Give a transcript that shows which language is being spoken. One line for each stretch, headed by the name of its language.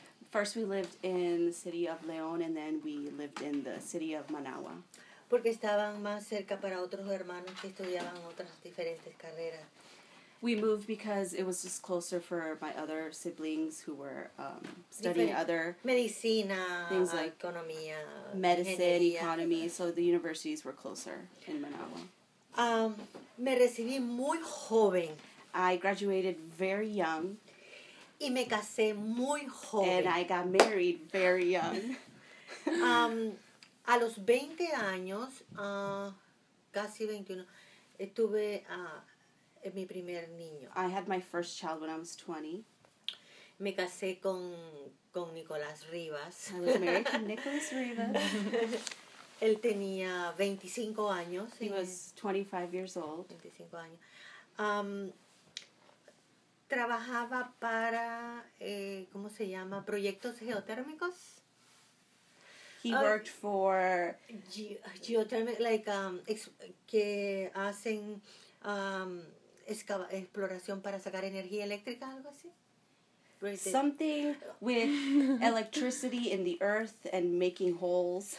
English: First we lived in the city of León, and then we lived in the city of Managua.
Spanish: Porque estaban más cerca para otros hermanos que estudiaban otras diferentes carreras.
English: We moved because it was just closer for my other siblings who were studying
Spanish: medicina,
English: things like
Spanish: economía,
English: medicine,
Spanish: ingeniería.
English: Economy. So the universities were closer in Managua.
Spanish: Me recibí muy joven.
English: I graduated very young.
Spanish: Y me casé muy joven.
English: And I got married very young.
Spanish: A los 20 años, casi 21, tuve mi primer niño.
English: I had my first child when I was 20.
Spanish: Me casé con Nicolás Rivas.
English: I was married to Nicolás Rivas.
Spanish: Él tenía 25 años.
English: He was 25 years old.
Spanish: 25 años. Trabajaba para, ¿cómo se llama? Proyectos geotérmicos.
English: He worked for...
Spanish: geotérmicos, que hacen exploración para sacar energía eléctrica, algo así.
English: Something with electricity in the earth and making holes.